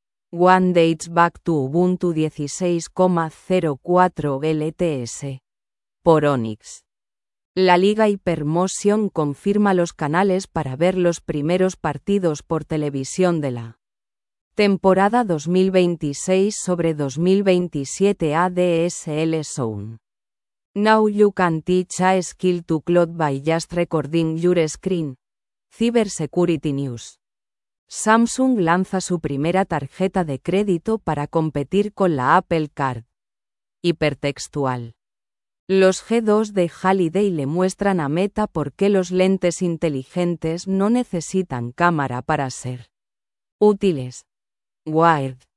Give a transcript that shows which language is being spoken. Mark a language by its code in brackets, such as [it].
[en] One dates back to Ubuntu 16.04 LTS. Por Onyx. [es] La Liga Hypermotion confirma los canales para ver los primeros partidos por televisión de la temporada 2026 sobre 2027 ADSL Zone. [en] Now you can teach a skill to Claude by just recording your screen. Cybersecurity News. [es] Samsung lanza su primera tarjeta de crédito para competir con la Apple Card. Hipertextual. Los G2 de Halliday le muestran a Meta por qué los lentes inteligentes no necesitan cámara para ser útiles. Wired.